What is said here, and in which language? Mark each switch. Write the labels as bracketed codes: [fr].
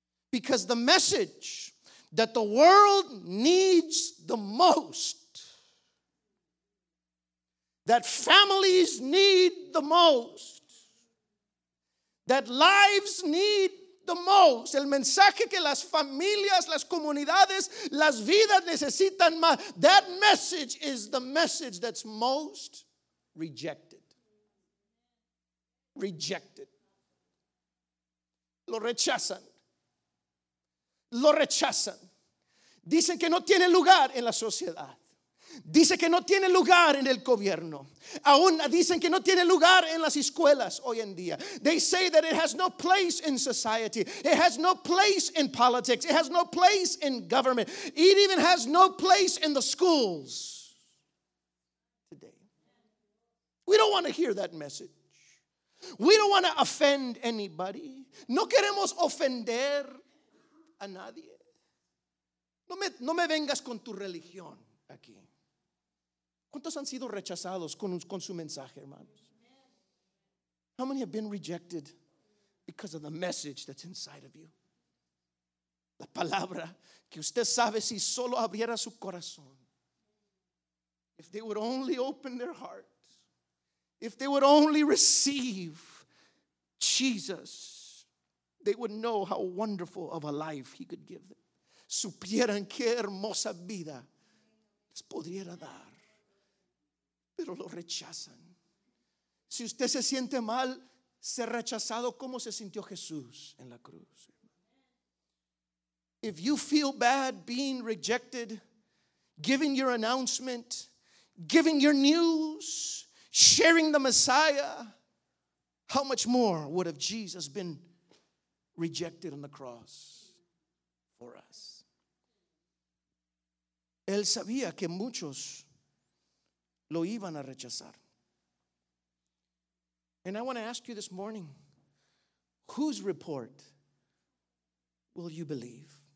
[en] Because the message that the world needs the most, that families need the most, that lives need the most, [es] el mensaje que las familias, las comunidades, las vidas necesitan más, [en] that message is the message that's most rejected. Rejected. [es] Lo rechazan. Lo rechazan. Dicen que no tiene lugar en la sociedad. Dicen que no tiene lugar en el gobierno. Aún dicen que no tiene lugar en las escuelas hoy en día. [en] They say that it has no place in society. It has no place in politics. It has no place in government. It even has no place in the schools today. We don't want to hear that message. We don't want to offend anybody. [es] No queremos ofender a nadie. No me vengas con tu religión aquí. ¿Cuántos han sido rechazados con su mensaje, hermanos? [en] How many have been rejected because of the message that's inside of you? [es] La palabra que usted sabe si solo abriera su corazón. [en] If they would only open their heart. If they would only receive Jesus, they would know how wonderful of a life he could give them. [es] Supieran qué hermosa vida les podría dar. Pero lo rechazan. Si usted se siente mal, ser rechazado, ¿cómo se sintió Jesús en la cruz? [en] If you feel bad being rejected, giving your announcement, giving your news, sharing the Messiah, how much more would have Jesus been rejected on the cross for us. [es] Él sabía que muchos lo iban a rechazar. [en] And I want to ask you this morning, whose report will you believe?